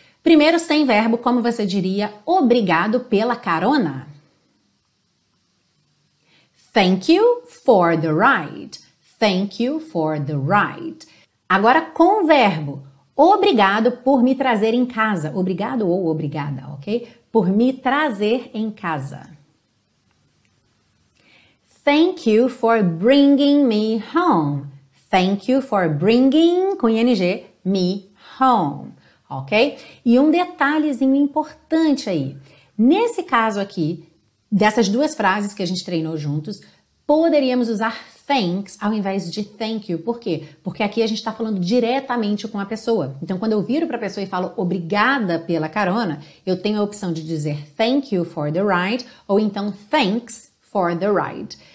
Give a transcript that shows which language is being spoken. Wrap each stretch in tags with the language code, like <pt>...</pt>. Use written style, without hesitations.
<pt>Primeiro, sem verbo, como você diria obrigado pela carona?</pt> <en>Thank you for the ride. Thank you for the ride.</en> <pt>Agora com o verbo. Obrigado por me trazer em casa. Obrigado ou obrigada, ok? Por me trazer em casa.</pt> <en>Thank you for bringing me home. Thank you for bringing,</en> <pt>com ing,</pt> <en>me home. Ok?</en> <pt>E um detalhezinho importante aí. Nesse caso aqui, dessas duas frases que a gente treinou juntos, poderíamos usar thanks ao invés de thank you. Por quê? Porque aqui a gente está falando diretamente com a pessoa. Então, quando eu viro para a pessoa e falo obrigada pela carona, eu tenho a opção de dizer</pt> <en>thank you for the ride</en> <pt>ou então</pt> <en>thanks for the ride.</en>